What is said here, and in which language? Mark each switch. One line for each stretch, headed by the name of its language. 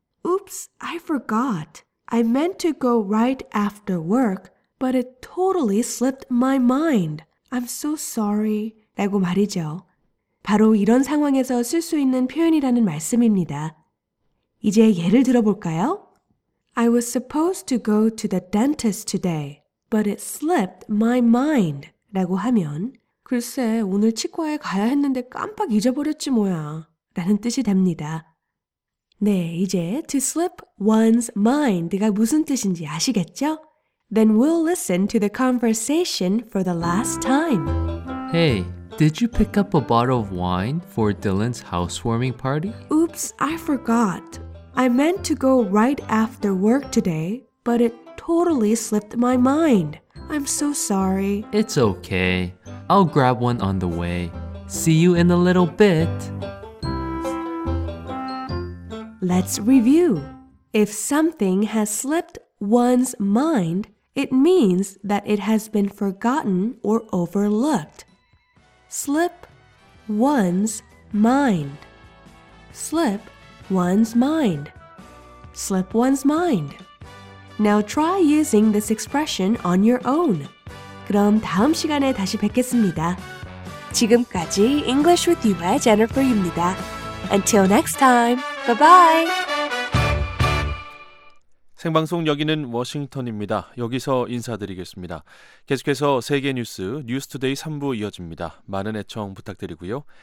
English: Oops, I forgot. I meant to go right after work, but it totally slipped my mind. I'm so sorry.
Korean: 라고 말이죠. 바로 이런 상황에서 쓸 수 있는 표현이라는 말씀입니다. 이제 예를 들어볼까요?
English: I was supposed to go to the dentist today, but it slipped my mind.
Korean: 라고 하면 글쎄, 오늘 치과에 가야 했는데 깜빡 잊어버렸지 뭐야. 라는 뜻이 됩니다. 네, 이제 to slip one's mind가 무슨 뜻인지 아시겠죠?
English: Then we'll listen to the conversation for the last time. Hey, did you pick up a bottle of wine for Dylan's housewarming party? Oops, I forgot. I meant to go right after work today, but it totally slipped my mind. I'm so sorry. It's okay. I'll grab one on the way. See you in a little bit. Let's review. If something has slipped one's mind, it means that it has been forgotten or overlooked. Slip one's mind. Slip one's mind. Slip one's mind. Now try using this expression on your own.
Korean: 그럼 다음 시간에 다시 뵙겠습니다. 지금까지 English with You의 Jennifer입니다.
English: Until next time, bye-bye!
Korean: 생방송 여기는 워싱턴입니다. 여기서 인사드리겠습니다. 계속해서 세계 뉴스, 뉴스 투데이 3부 이어집니다. 많은 애청 부탁드리고요.